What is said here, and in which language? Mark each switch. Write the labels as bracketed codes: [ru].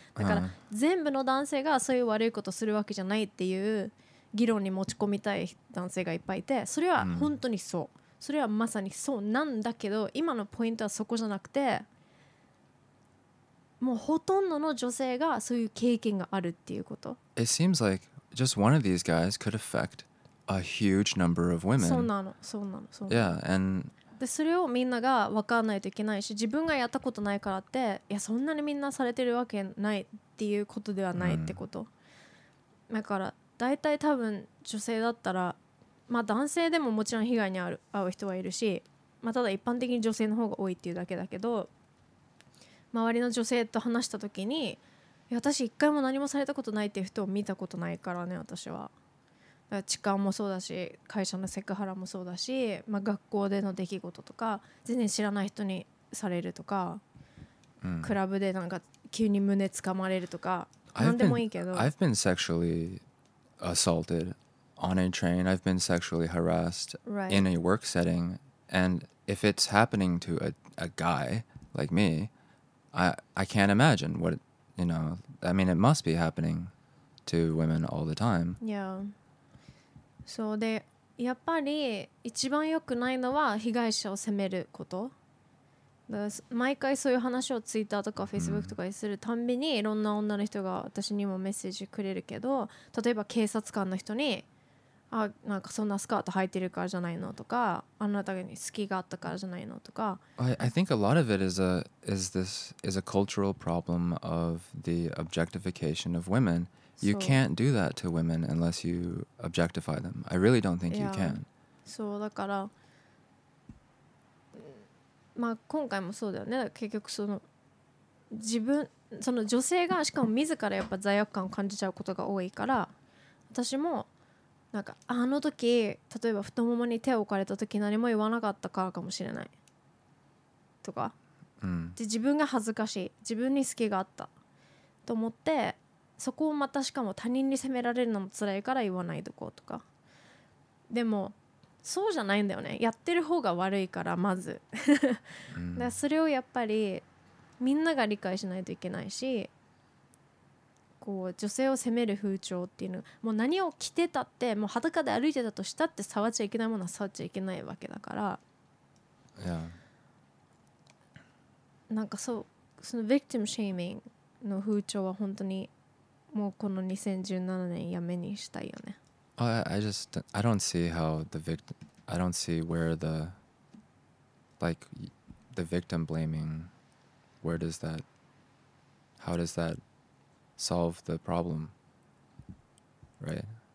[ja] だから全部の男性がそういう悪いことするわけじゃないっていう議論に持ち込みたい男性がいっぱいいて、それは本当にそう、それはまさにそうなんだけど、今のポイントはそこじゃなくて、もうほとんどの女性がそういう経験があるっていうこと。 [en] It seems like just one of these guys could affect a huge number of women. [ja] そうなの、そうなの、そうなの。 [en] Yeah, and [ja] でそれをみんなが分からないといけないし、自分がやったことないからって、いやそんなにみんなされてるわけないっていうことではないってこと、うん、だから大体多分女性だったら、まあ男性でももちろん被害に遭う人はいるし、まあただ一般的に女性の方が多いっていうだけだけど、周りの女性と話した時に、いや私一回も何もされたことないっていう人を見たことないからね、私は。痴漢もそうだし、会社のセクハラもそうだし、まあ、学校での出来事とか全然知らない人にされるとか、うん、クラブでなんか急に胸つかまれるとか、何でもいいけど、 [en] I've been sexually assaulted on a train, I've been sexually harassed、 right. in a work setting, and if it's happening to a guy like me, I can't imagine what, you know, I mean it must be happening to women all the time. Yeah. [ja] そうで、やっぱり一番良くないのは被害者を責めること。だから毎回そういう話をツイッターとかフェイスブックとかにするたんびに、いろんな女の人が私にもメッセージくれるけど、例えば警察官の人に、あなんかそんなスカート履いてるからじゃないのとか、あなたに好きがあったからじゃないのとか。 [en] I think a lot of it is a cultural problem of the objectification of womenYou can't do that to women unless you objectify them. I really don't think、 yeah. you can. [ja] そうだから、まあ今回もそうだよね。結局その自分、その女性がしかも自らやっぱ罪悪感を感じちゃうことが多いから、私もなんかあの時例えば太ももに手を置かれた時何も言わなかったからかもしれないとか、うん、で自分が恥ずかしい自分に好きがあったと思ってそこをまたしかも他人に責められるのも辛いから言わないとこうとか。でもそうじゃないんだよね、やってる方が悪いからまず、うん、だからそれをやっぱりみんなが理解しないといけないし、こう女性を責める風潮っていうのはもう何を着てたってもう裸で歩いてたとしたって触っちゃいけないものは触っちゃいけないわけだから、いや、なんかそう、そのビクティムシェイミングの風潮は本当にもうこの2017年やめにしたいよね。 [en] I don't see how the victim, I don't see where the, like, the victim blaming, where does that, how does that solve the problem, right?